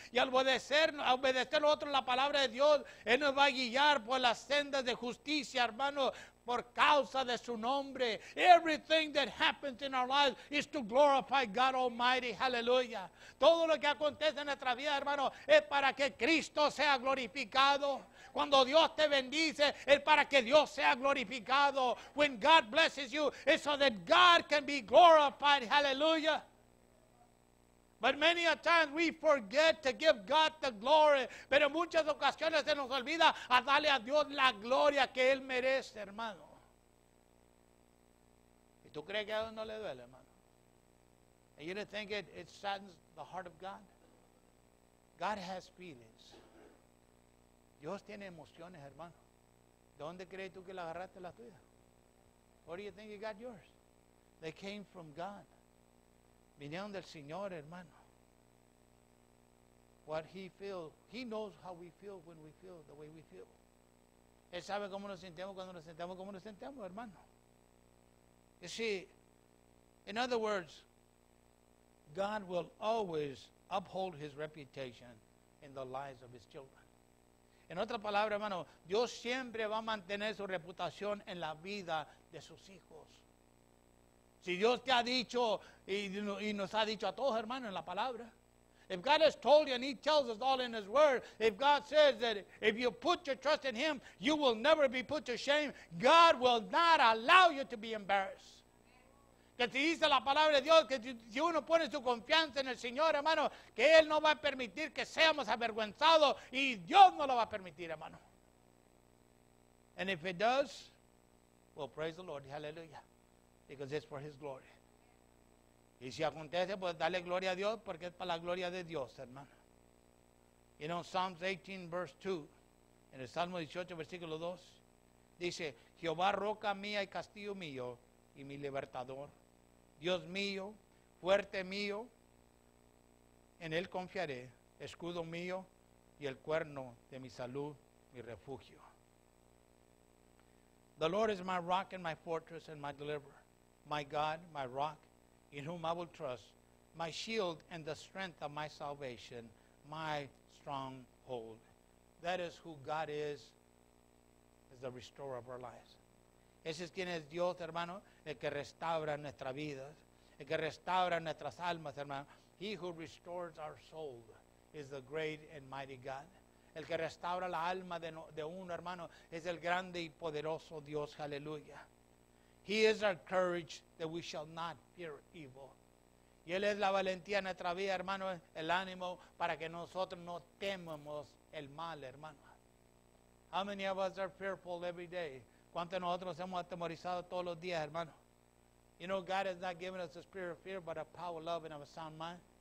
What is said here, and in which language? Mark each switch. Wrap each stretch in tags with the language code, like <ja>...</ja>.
<es>Y al obedecer nosotros la palabra de Dios, él nos va a guiar por las sendas de justicia, hermano, por causa de su nombre.</es> <en>Everything that happens in our lives is to glorify God Almighty. Hallelujah.</en> <es>Todo lo que acontece en nuestra vida, hermano, es para que Cristo sea glorificado. Cuando Dios te bendice, es para que Dios sea glorificado.</es> <en>When God blesses you, it's so that God can be glorified. Hallelujah. But many a times we forget to give God the glory.</en> <es>Pero muchas ocasiones se nos olvida a darle a Dios la gloria que Él merece, hermano. ¿Y tú crees que a Dios no le duele, hermano?</es> <en>And you don't think it saddens the heart of God? God has feelings.</en> <es>Dios tiene emociones, hermano. ¿De dónde crees tú que la agarraste la tuya?</es> <en>Where do you think you got yours? They came from God.</en> <es>Vinieron del Señor, hermano.</es> <en>What he feels, he knows how we feel when we feel the way we feel.</en> <es>Él sabe cómo nos sentimos cuando nos sentamos como nos sentamos, hermano.</es> <en>You see, in other words, God will always uphold his reputation in the lives of his children.</en> <es>En otra palabra, hermano, Dios siempre va a mantener su reputación en la vida de sus hijos. Si Dios te ha dicho y nos ha dicho a todos, hermanos, en la palabra.</es> <en>If God has told you and he tells us all in his word, if God says that if you put your trust in him, you will never be put to shame, God will not allow you to be embarrassed.</en> <es>Que si dice la palabra de Dios, que si uno pone su confianza en el Señor, hermano, que él no va a permitir que seamos avergonzados y Dios no lo va a permitir, hermano.</es> <en>And if it does, well, praise the Lord, hallelujah. Because it's for his glory.</en> <es>Y si acontece, pues dale gloria a Dios, porque es para la gloria de Dios, hermano.</es> <en>You know, Psalms 18, verse 2,</en> <es>en el Salmo 18, versículo 2, dice, Jehová, roca mía y castillo mío, y mi libertador, Dios mío, fuerte mío, en él confiaré, escudo mío, y el cuerno de mi salud, mi refugio.</es> <en>The Lord is my rock and my fortress and my deliverer. My God, my rock, in whom I will trust, my shield and the strength of my salvation, my stronghold. That is who God is, as the restorer of our lives.</en> <es>Ese es quien es Dios, hermano, el que restaura nuestra vida, el que restaura nuestras almas, hermano.</es> <en>He who restores our soul is the great and mighty God.</en> <es>El que restaura la alma de uno, hermano, es el grande y poderoso Dios, hallelujah.</es> <en>He is our courage that we shall not fear evil.</en> <es>Y él es la valentía en nuestra vida, hermano, el ánimo para que nosotros no temamos el mal, hermano.</es> <en>How many of us are fearful every day?</en> <es>¿Cuántos de nosotros hemos atemorizado todos los días, hermano?</es> <en>You know, God has not given us a spirit of fear, but a power of love and of a sound mind.</en>